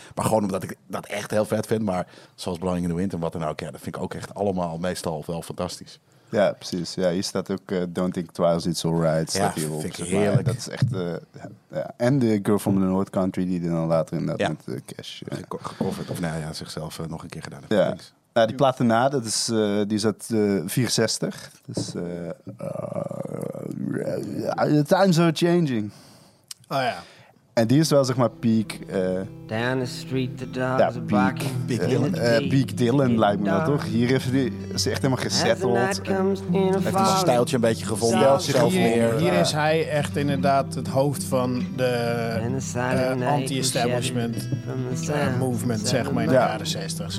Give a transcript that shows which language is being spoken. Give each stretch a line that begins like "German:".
Dutch: Maar gewoon omdat ik dat echt heel vet vind. Maar zoals Blowing in the Wind en wat dan ook, ja, dat vind ik ook echt allemaal meestal wel fantastisch. Ja, precies. Ja, hier staat ook Don't Think Twice, It's Alright. Ja, vind op, ik heerlijk. Maar. Dat is echt, en de Girl from the North Country, die dan later inderdaad met Cash. Ja. Gecoverd, of nou ja, zichzelf nog een keer gedaan. Ja. Nou, die plaat daarna, dat is, die is uit 64.
English: Dus, the times are changing.
Dutch: Oh ja. En die is wel, zeg maar, peak...
English: down the street, the dogs are barking.
Dutch: Peak Dylan, lijkt me dat, toch? Hier heeft hij zich echt helemaal gesetteld. Heeft hij zijn stijltje een beetje gevonden. Ja, zelf meer. Hier is hij echt inderdaad het hoofd van de anti-establishment movement, zeg maar, in de jaren 60.